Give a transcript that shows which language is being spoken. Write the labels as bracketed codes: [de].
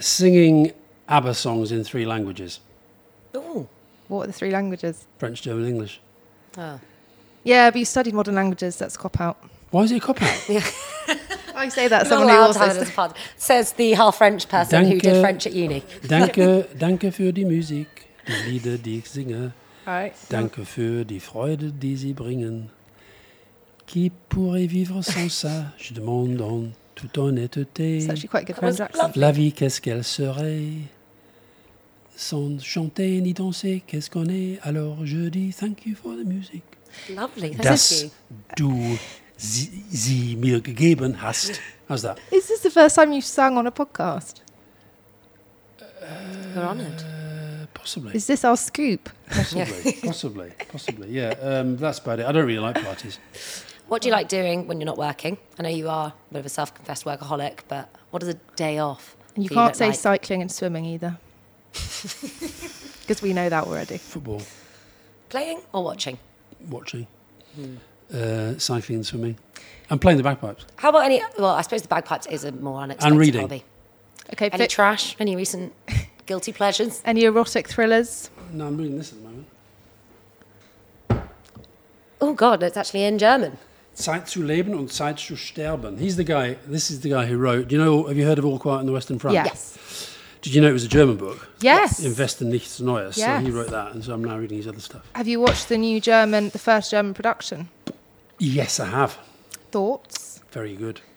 [en] Singing ABBA songs in three languages. Ooh. What are the three languages? French, German, English. Oh. Yeah, but you studied modern languages. That's a cop-out. Why is it a cop-out? I say that someone who also... This part. Says the half-French person danke, who did French at uni. [de] Danke, danke für die Musik, die Lieder, die ich singe. [en] All right. [de] Danke für die Freude, die sie bringen. [fr] Qui pourrait vivre sans ça? Je demande en toute honnêteté. [en] It's actually quite good French accent. [fr] La vie, qu'est-ce qu'elle serait? Sans chanter ni danser, qu'est-ce qu'on est? Alors je dis [en] thank you for the music. Lovely. [de] Das du sie mir gegeben hast. [en] How's that? Is this the first time you've sung on a podcast? We're honoured. Possibly. Is this our scoop? Possibly. Yeah, that's about it. I don't really like parties. What do you like doing when you're not working? I know you are a bit of a self-confessed workaholic, but what is a day off? And you can't say cycling and swimming either. Because we know that already. Football. Playing or watching? Watching. Hmm. Cycling and swimming. And playing the bagpipes. How about any... Well, I suppose the bagpipes is a more unexpected and reading. Hobby. Okay, any trash? Any recent guilty pleasures? Any erotic thrillers? No, I'm reading this at the moment. Oh, God, it's actually in German. [de] Zeit zu leben und Zeit zu sterben. [en] He's the guy, this is the guy who wrote, do you know, have you heard of All Quiet on the Western Front? Yes. Did you know it was a German book? Yes. [de] Invest in nichts Neues. [en] Yes. So he wrote that, and so I'm now reading his other stuff. Have you watched the new German, the first German production? Yes, I have. Thoughts? Very good.